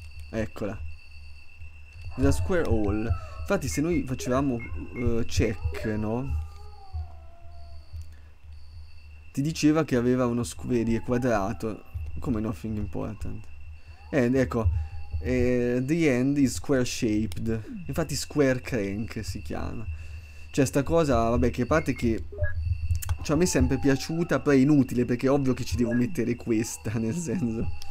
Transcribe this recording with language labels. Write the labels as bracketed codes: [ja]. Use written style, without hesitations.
[it] Eccola. La Square Hall. Infatti, se noi facevamo check, no? Ti diceva che aveva uno square di quadrato. Come [en] nothing important. [it] Ecco. [en] The end is square shaped. [it] Infatti, square crank si chiama. Cioè, sta cosa, vabbè, che a parte che. Cioè, a me è sempre piaciuta, però è inutile perché è ovvio che ci devo mettere questa, nel senso.